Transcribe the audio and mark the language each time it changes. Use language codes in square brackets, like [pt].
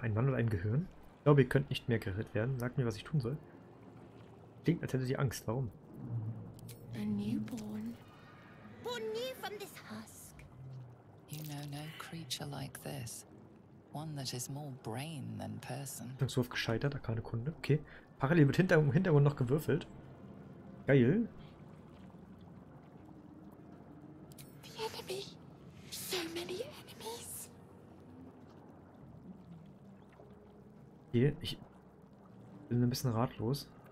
[de] Ein Mann oder ein Gehirn? Ich glaube, ihr könnt nicht mehr gerettet werden. Sagt mir, was ich tun soll. Klingt, als hätte sie Angst. Warum? [en] A newborn, born new from this husk. You know no creature like this. One that is more brain than person. [de] Rettungswurf gescheitert, da keine Kunde. Okay. Parallel wird im Hintergrund noch gewürfelt. Geil. [en] The enemy. So many enemies. [de] Okay, ich bin ein bisschen ratlos.